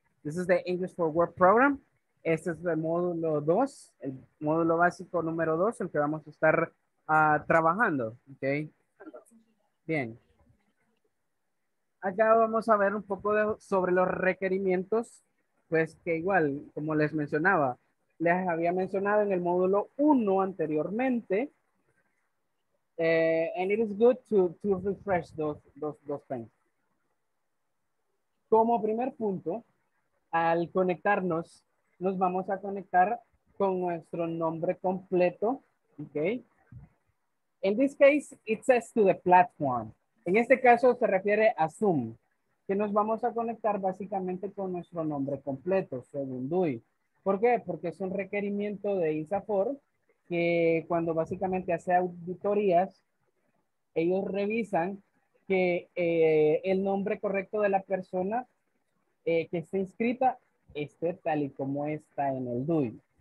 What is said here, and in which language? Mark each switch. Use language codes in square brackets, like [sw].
[en] This is the English for Work Program. [es] Este es el módulo 2, el módulo básico número 2, el que vamos a estar trabajando, ¿ok? Bien. Acá vamos a ver un poco sobre los requerimientos, pues que igual, como les mencionaba, les había mencionado en el módulo 1 anteriormente, [en] And it is good to refresh those things. [es] Como primer punto, al conectarnos, nos vamos a conectar con nuestro nombre completo, okay? [en] In this case, it says to the platform. [es] En este caso se refiere a Zoom, que nos vamos a conectar básicamente con nuestro nombre completo, según DUI. ¿Por qué? Porque es un requerimiento de ISAFOR que cuando básicamente hace auditorías, ellos revisan que el nombre correcto de la persona que está inscrita esté tal y como está en el DUI.